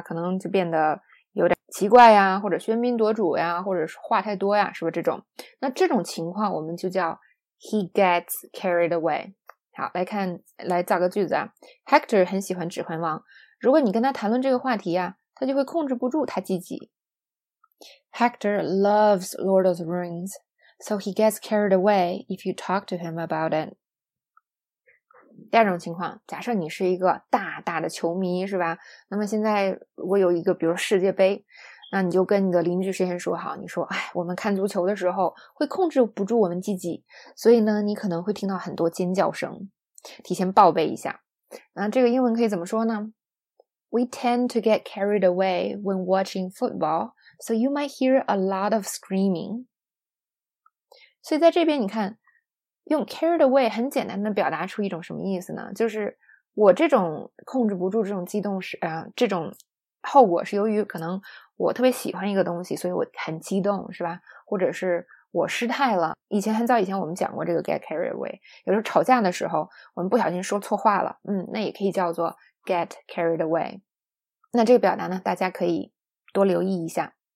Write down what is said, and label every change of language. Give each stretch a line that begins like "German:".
Chinese: 可能就变得有点奇怪呀，或者喧宾夺主呀，或者是话太多呀，是吧？这种，那这种情况我们就叫
English: he gets carried away。
Chinese: 好，来看，来造个句子啊。Hector 很喜欢指环王，如果你跟他谈论这个话题啊，他就会控制不住他自己。
English: Hector loves Lord of the Rings, so he gets carried away if you talk to him about it。
Chinese: 第二种情况，假设你是一个大大的球迷，是吧？那么现在我有一个比如世界杯，那你就跟你的邻居先说好，你说，哎，我们看足球的时候会控制不住我们自己，所以呢你可能会听到很多尖叫声，提前报备一下。那这个英文可以怎么说呢？
English: We tend to get carried away when watching football, so you might hear a lot of screaming。
Chinese: 所以在这边你看，用 carried away 很简单的表达出一种什么意思呢？就是我这种控制不住这种激动是这种后果是由于可能我特别喜欢一个东西，所以我很激动，是吧？或者是我失态了。以前很早以前我们讲过这个
English: get carried away，
Chinese: 有时候吵架的时候我们不小心说错话了，嗯，那也可以叫做 get carried away。 那这个表达呢，大家可以多留意一下。